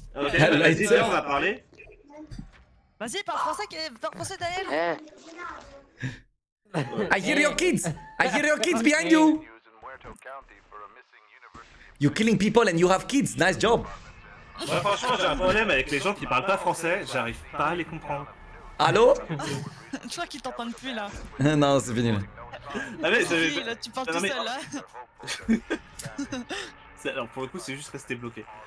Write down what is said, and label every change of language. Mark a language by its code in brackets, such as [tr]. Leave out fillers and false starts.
[fr] Okay, vas-y, d'ailleurs, on va parler. Vas-y, parle français, français Daniel. [en] Hey. I hear your kids behind you. You're killing people and you have kids, nice job! [fr] Ouais, franchement, j'ai un problème avec les gens qui parlent pas français, j'arrive pas à les comprendre. Allô? Tu crois qu'ils t'entendent plus là? Non, c'est fini là. Ah, mais c'est... Oui, là, tu parles tout seul là. C'est... Alors pour le coup, c'est juste resté bloqué.